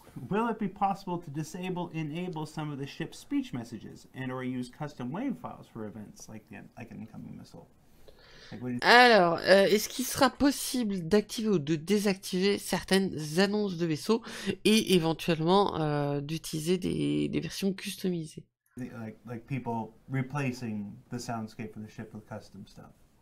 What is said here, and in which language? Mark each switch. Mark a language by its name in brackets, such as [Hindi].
[English] Will it be possible to disable enable some of the ship's speech messages and or use custom wave files for events like an incoming missile? [French] Alors, est-ce qu'il sera possible d'activer ou de désactiver certaines annonces de vaisseau et éventuellement d'utiliser des versions customisées? [English] Like people replacing the soundscape of the ship with custom stuff.